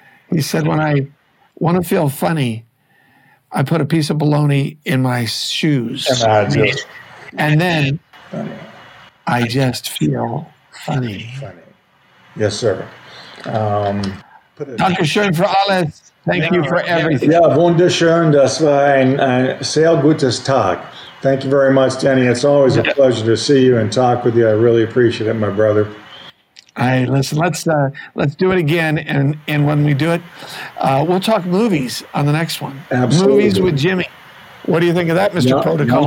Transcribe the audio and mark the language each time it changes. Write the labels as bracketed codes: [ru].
[en] He said, when I want to feel funny, I put a piece of bologna in my shoes. And then I just feel funny. Yes, sir. [de] Danke schön für alles. [en] Thank you for everything. [de] Ja, wunderschön, das war ein sehr gutes Tag. [en] Thank you very much, Danny. It's always a pleasure to see you and talk with you. I really appreciate it, my brother. Let's do it again, and when we do it, we'll talk movies on the next one. Absolutely. Movies with Jimmy. What do you think of that, Mr. Protocol?